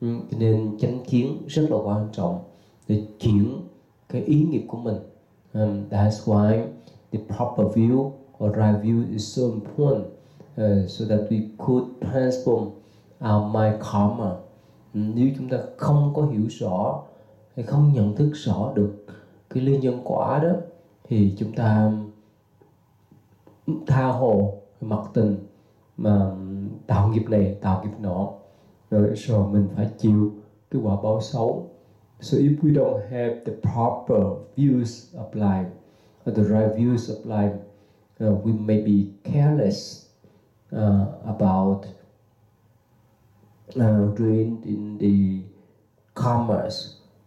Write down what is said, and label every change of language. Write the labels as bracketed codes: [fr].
[vi] Nên chánh kiến rất là quan trọng để chuyển cái ý nghiệp của mình. [en] That's why the proper view or right view is so important, so that we could transform our mind karma. [vi] Nếu chúng ta không có hiểu rõ hay không nhận thức rõ được cái lý nhân quả đó, thì chúng ta tha hồ mặc tình mà tạo nghiệp này tạo nghiệp nọ, rồi mình phải chịu cái quả báo xấu. [en] So if we don't have the proper views of life or the right views of life, we may be careless about doing in the commerce.